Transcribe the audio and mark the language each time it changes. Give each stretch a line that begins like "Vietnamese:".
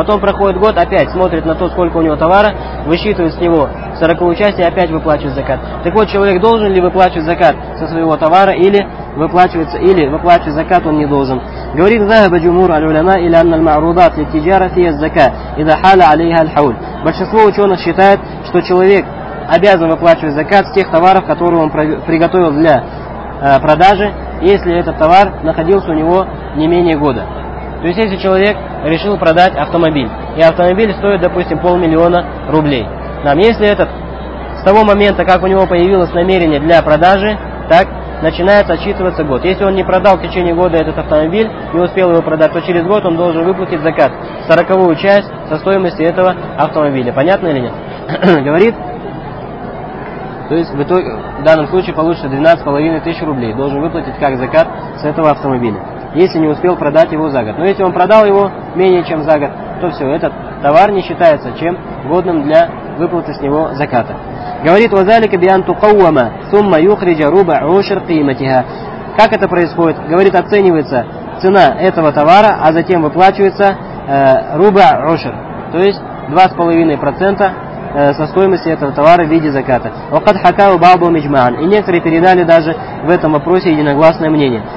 Russian: Потом проходит год, опять смотрит на то, сколько у него товара, высчитывает с него 40-ую часть и опять выплачивает закат. Так вот, человек должен ли выплачивать закат со своего товара, или выплачивать закат он не должен. Говорит,
Arabic: ذَهَبَ جُمُورُ الْعُلَمَا إِلَى أَنَّ الْمَعْرُوضَاتِ لِلتِّجَارَةِ فِيَ الزَّكَاةِ إِذَا حَالَ عَلَيْهَا الْحَوْلِ.
Russian: Большинство ученых считает, что человек обязан выплачивать закат с тех товаров, которые он приготовил для продажи, если этот товар находился у него не менее года. То есть, если человек решил продать автомобиль, и автомобиль стоит, допустим, 500 000 рублей. Там, если этот, с того момента, как у него появилось намерение для продажи, так начинает отчитываться год. Если он не продал в течение года этот автомобиль, не успел его продать, то через год он должен выплатить закат, 40-ую часть со стоимости этого автомобиля. Понятно или нет? Говорит, то есть в итоге, в данном случае получится 12 500 рублей, должен выплатить как закат с этого автомобиля, если не успел продать его за год. Но если он продал его менее чем за год, то все, этот товар не считается чем годным для выплаты с него заката. Говорит,
Arabic: وَذَلِكَ بِأَنْ تُقَوَّمَ ثُمَّ يُخْرِجَ رُبَعُ عُشْرِ قِيمَتِهَا.
Russian: Как это происходит? Говорит, оценивается цена этого товара, а затем выплачивается рубаа ушр, то есть 2.5% со стоимости этого товара в виде заката.
Arabic: وَقَدْ حَكَاهُ بَعْضُ مِجْمَعَانِ.
Russian: И некоторые передали даже в этом вопросе единогласное мнение.